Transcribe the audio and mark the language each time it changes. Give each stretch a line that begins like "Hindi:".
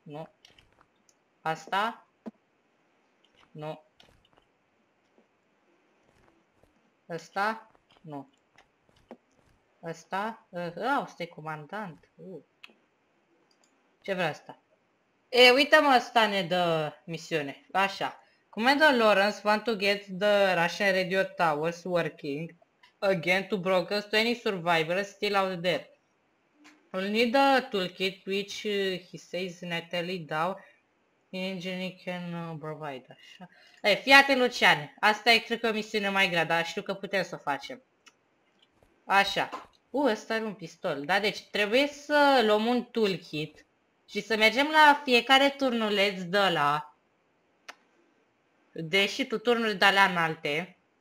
Romanian: Nu. Asta? Nu. Asta? Nu. Asta? Asta e comandant. Ce vrea asta? E, uite-mă, asta ne dă misiune. Așa.
English: Commander Lawrence want to get the Russian radio towers working again to broadcast to any survivors still out there. We'll need a toolkit which he says Natalie Dow in engineering can provide.
Romanian: Așa. E, fii atent, Luciane. Asta e, cred că, o misiune mai grea, dar știu că putem să o facem. Așa. Ăsta are un pistol. Da, deci trebuie să luăm un toolkit și să mergem la fiecare turnuleț de la... Deși tu turnuri de alea înalte.